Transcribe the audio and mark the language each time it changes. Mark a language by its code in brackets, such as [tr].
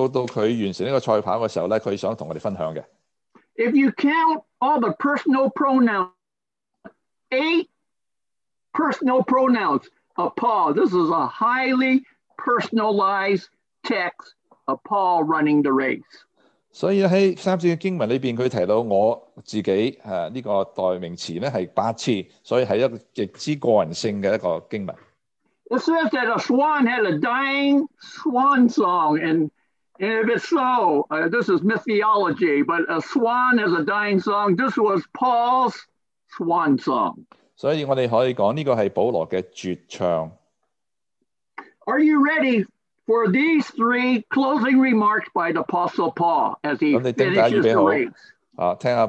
[zh] 对于保罗来说，有三样到他完成这个赛跑的时候，他想跟我们分享的。 [en] If you count all the personal pronouns, eight personal pronouns of Paul, this is a highly personalized text of Paul running the race. [zh] 所以在三节经文里面，他提到我自己这个代名词是八次，所以是一个极之个人性的一个经文。 [en] It says that a swan had a dying swan song, and if it's so, this is mythology, but a swan has a dying song. This was Paul's swan song. [zh] 所以我们可以说这个是保罗的绝唱。 [en] Are you ready for these three closing remarks by the Apostle Paul as he finishes the race?